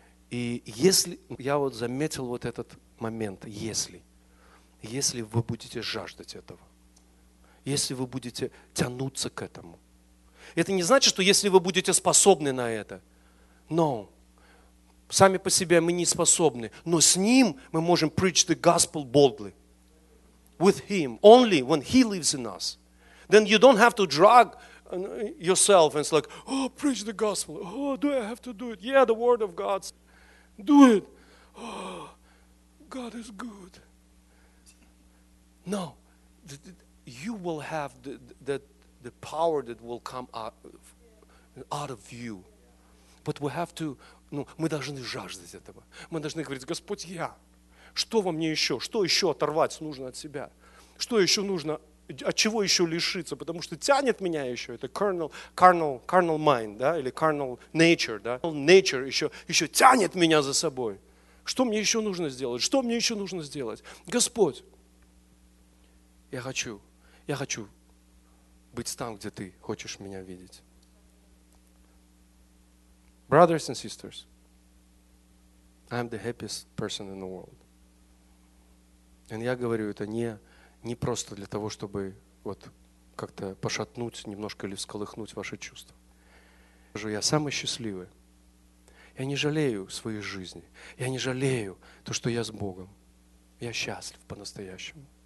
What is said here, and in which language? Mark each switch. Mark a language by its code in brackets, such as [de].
[ru] И если, я вот заметил вот этот момент, если вы будете жаждать этого, если вы будете тянуться к этому, это не значит, что если вы будете способны на это, но сами по себе мы не способны, но с Ним мы можем [en] preach the gospel boldly. With Him, only when He lives in us. Then you don't have to drag yourself and it's like, oh, preach the gospel. Oh, do I have to do it? Yeah, the word of God. Do it. Oh, God is good. No. You will have the power that will come out of you. But we have to, [ru] мы должны жаждать этого. Мы должны говорить, Господь, я. Что во мне еще? Что еще оторвать нужно от себя? Что еще нужно? От чего еще лишиться? Потому что тянет меня еще. Это carnal mind, да? Или carnal nature, да? Nature еще тянет меня за собой. Что мне еще нужно сделать? Что мне еще нужно сделать? Господь, я хочу быть там, где ты хочешь меня видеть. [en] Brothers and sisters, I'm the happiest person in the world. [ru] И я говорю это не просто для того, чтобы вот как-то пошатнуть немножко или всколыхнуть ваши чувства. Я самый счастливый. Я не жалею своей жизни. Я не жалею то, что я с Богом. Я счастлив по-настоящему.